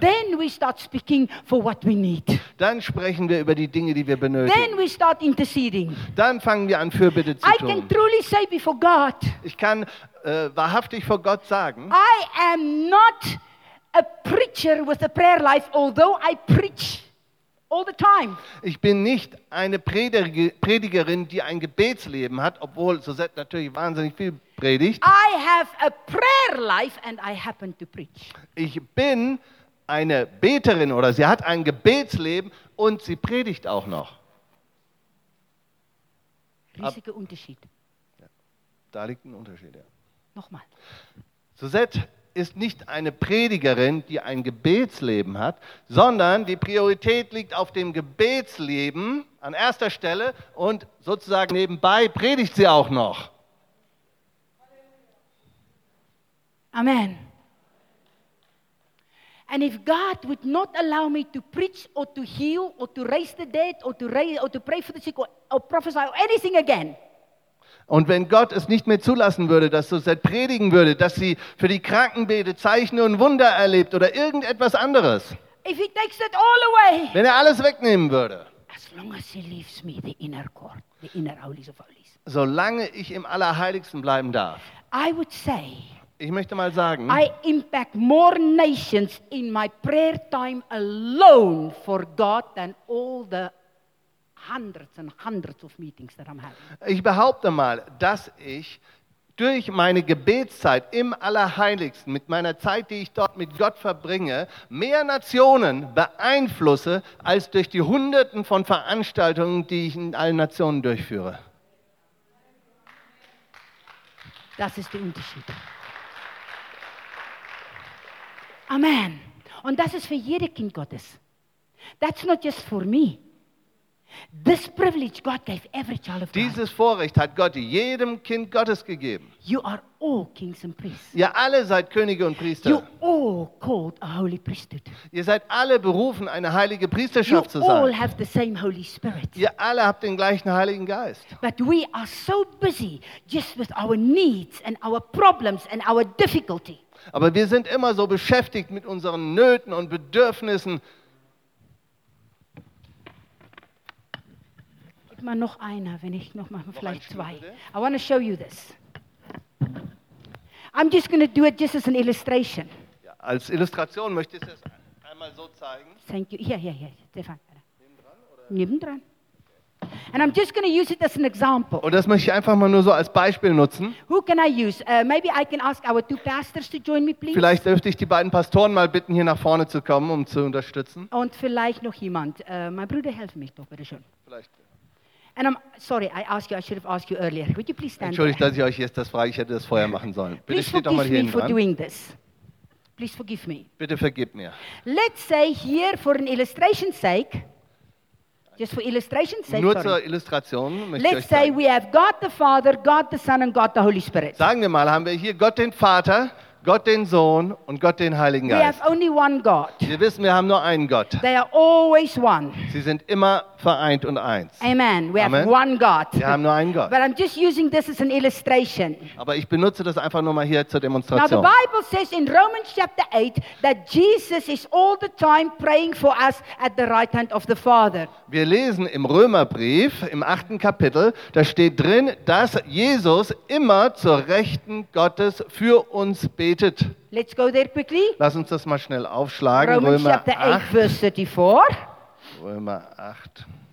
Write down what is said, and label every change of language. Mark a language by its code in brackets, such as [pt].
[en] Then we start speaking for what we need. [de] Dann sprechen wir über die Dinge, die wir benötigen. [en] Then we start interceding. [de] Dann fangen wir an, Fürbitte zu tun. I [en] can truly say before God, [de] ich kann wahrhaftig vor Gott sagen, [en] I am not a preacher with a prayer life, although I preach all the time. [de] Ich bin nicht eine Predigerin, die ein Gebetsleben hat, obwohl Suzette natürlich wahnsinnig viel predigt. [en] I have a prayer life and I happen to preach. [de] Ich bin eine Beterin, oder sie hat ein Gebetsleben und sie predigt auch noch. Riesiger Unterschied. Ja, da liegt ein Unterschied, ja. Nochmal. Suzette ist nicht eine Predigerin, die ein Gebetsleben hat, sondern die Priorität liegt auf dem Gebetsleben an erster Stelle und sozusagen nebenbei predigt sie auch noch. Amen. [en] And if God would not allow me to preach or to heal or to raise the dead or to pray for the sick or prophesy or anything again. [de] Und wenn Gott es nicht mehr zulassen würde, dass Suzette predigen würde, dass sie für die Kranken betet, Zeichen und Wunder erlebt oder irgendetwas anderes, [en] if he takes it all away, [de] wenn er alles wegnehmen würde, [en] as long as he leaves me the inner court, the inner holies of holies, [de] solange ich im Allerheiligsten bleiben darf, [en] I would say, [de] ich möchte mal sagen, [en] I impact more nations in my prayer time alone for God than all the hundreds and hundreds of meetings that I'm having. [de] Ich behaupte mal, dass ich durch meine Gebetszeit im Allerheiligsten, mit meiner Zeit, die ich dort mit Gott verbringe, mehr Nationen beeinflusse, als durch die Hunderten von Veranstaltungen, die ich in allen Nationen durchführe. Das ist der Unterschied. Amen. Und das ist für jedes Kind Gottes. [en] That's not just for me. This privilege God gave every child of God. [de] Dieses Vorrecht hat Gott jedem Kind Gottes gegeben. [en] You are all kings and priests. [de] Ihr alle seid Könige und Priester. [en] You all called a holy priesthood. [de] Ihr seid alle berufen, eine heilige Priesterschaft [en] you [de] zu sein. [en] All have the same Holy Spirit. [de] Ihr alle habt den gleichen Heiligen Geist. [en] But we are so busy just with our needs and our problems and our difficulty. [de] Aber wir sind immer so beschäftigt mit unseren Nöten und Bedürfnissen. Mal noch einer, wenn ich noch mal, vielleicht zwei. Bitte. [en] I want to show you this. I'm just going to do it just as an illustration. [de] Ja, als Illustration möchte ich es einmal so zeigen. [en] Thank you. [de] Hier, Stefan. Nebendran? Oder? Nebendran. Okay. [en] And I'm just going to use it as an example. [de] Und das möchte ich einfach mal nur so als Beispiel nutzen. [en] Who can I use? Maybe I can ask our two pastors to join me, please. [de] Vielleicht dürfte ich die beiden Pastoren mal bitten, hier nach vorne zu kommen, um zu unterstützen. Und vielleicht noch jemand. Mein Bruder, helf mich doch bitte schon. Vielleicht. [en] And I'm sorry, I asked you, I should have asked you earlier. Would you please stand? [de] Entschuldigt, dass ich euch jetzt das frage. Ich hätte das vorher machen sollen. Bitte steht doch mal hier [en] for doing this. Please forgive me. [de] Bitte vergib mir. [en] Let's say here for an illustration's sake. Just for illustration's sake. [de] Nur zur Illustration. [en] Let's say we have God the Father, God the Son and God the Holy Spirit. [de] Sagen wir mal, haben wir hier Gott den Vater, Gott den Sohn und Gott den Heiligen Geist. [en] We have only one God. [de] Wir wissen, wir haben nur einen Gott. [en] They are always one. [de] Sie sind immer vereint und eins. [en] Amen. We have one God. [de] Wir haben nur einen Gott. [en] But I'm just using this as an illustration. [de] Aber ich benutze das einfach nur mal hier zur Demonstration. [en] Now the Bible says in Romans chapter 8 that Jesus is all the time praying for us at the right hand of the Father. [de] Wir lesen im Römerbrief im 8. Kapitel, da steht drin, dass Jesus immer zur Rechten Gottes für uns betet. [en] Let's go there quickly. [de] Lass uns das mal schnell aufschlagen. [en] Romans chapter 8, verse 34. [de] Römer 8.